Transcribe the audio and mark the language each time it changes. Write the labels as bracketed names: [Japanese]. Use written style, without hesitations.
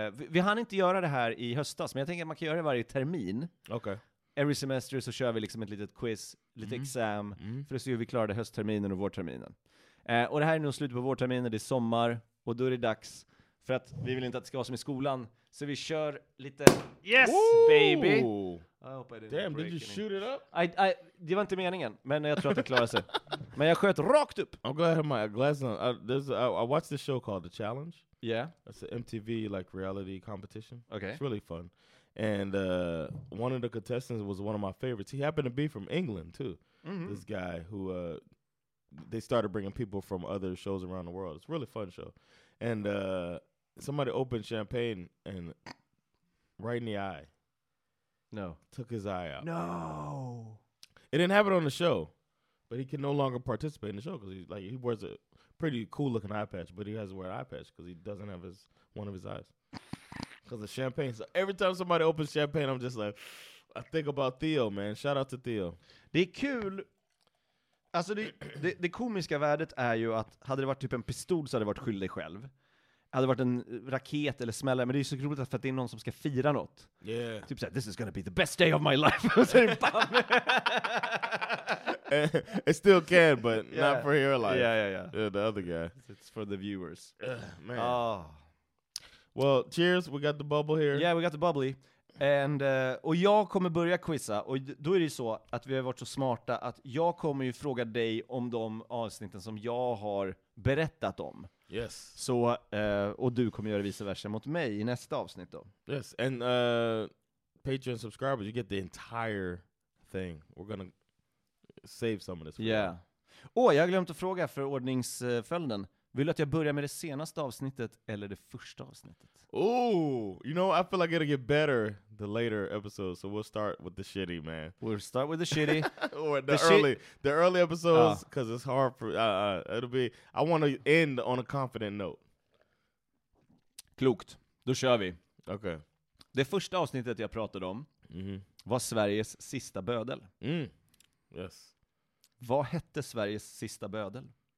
[Swedish] Vi hann inte göra det här i höstas, men jag tänker att man kan göra det varje termin. [English] Okay. Every semester [Swedish] så kör vi liksom ett litet quiz, lite exam. Mm. För att se hur vi klarade höstterminen och vårterminen. Och det här är nog slutet på vårterminen, det är sommar. Och då är det dags, för att vi vill inte att det ska vara som i skolan. Så vi kör lite... [English] Yes, woo! Baby! I hope I didn't. Damn, did you shoot it up? [Swedish] I det var inte meningen, men jag tror att det klarade sig. Men jag sköt rakt upp. [English] I'm glad I have my glasses on. I watched this show called The Challenge. Yeah. It's an MTV like reality competition. Okay. It's really fun. And one of the contestants was one of my favorites. He happened to be from England too. Mm-hmm. This guy who they started bringing people from other shows around the world. It's a really fun show. And somebody opened champagne and right in the eye. No. Took his eye out. No. It didn't happen on the show, but he can no longer participate in the show because he wears a pretty cool-looking eye patch, but he has to wear an eye patch because he doesn't have one of his eyes because of champagne. So every time somebody opens champagne, I'm just like, I think about Theo, man. Shout out to Theo. [Swedish] Det är kul. Alltså det komiska värdet är ju att hade det varit typ en pistol så hade det varit skyldig själv. Hade varit en raket eller smällare. Men det är så roligt att det är någon som ska fira något. [English] Yeah. [Swedish] Typ såhär, [English] this is gonna be the best day of my life. [Swedish] Och är det [English] it still can, but yeah. Not for your life. Yeah, yeah, yeah. Yeah, the other guy. It's for the viewers. Ugh, man. Oh. Well, cheers. We got the bubble here. Yeah, we got the bubbly. [Swedish] And, och jag kommer börja quizza. Och då är det ju så att vi har varit så smarta att jag kommer ju fråga dig om de avsnitten som jag har berättat om. [English] Yes. [Swedish] Så och du kommer göra vice versa mot mig i nästa avsnitt då. [English] Yes. And Patreon subscribers, you get the entire thing. We're gonna save some of this. Yeah. [Swedish] Åh, jag glömde att fråga för ordningsföljden. Vill du att jag börjar med det senaste avsnittet eller det första avsnittet? [English] Oh, you know, I feel like it'll get better the later episodes, so we'll start with the shitty, man. We'll start with the shitty. Or the early episodes, because it's hard for, it'll be, I want to end on a confident note. [Swedish] Klokt. Då kör vi. [English] Okay. [Swedish] Det första avsnittet jag pratade om var Sveriges sista bödel. [English] Mm. Yes. [Swedish] Vad hette Sveriges sista bödel?